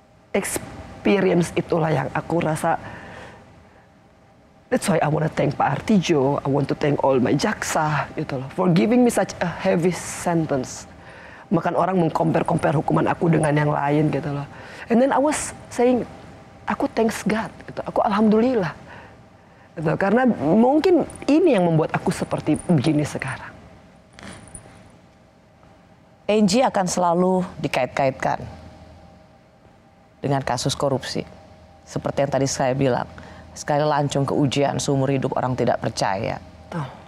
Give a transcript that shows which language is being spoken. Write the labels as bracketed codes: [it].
[en] Experience [id] itulah yang aku rasa, [en] that's why I want to thank Pak Artijo, I want to thank all my jaksa, gitu loh, for giving me such a heavy sentence. [id] Makan orang mengcompare-compare hukuman aku dengan yang lain, gitu loh. [en] And then I was saying, aku thanks God, gitu. [id] Aku alhamdulillah. Gitu. Karena mungkin ini yang membuat aku seperti begini sekarang. Angie akan selalu dikait-kaitkan dengan kasus korupsi. Seperti yang tadi saya bilang, sekali lancung ke ujian seumur hidup orang tidak percaya. Oh.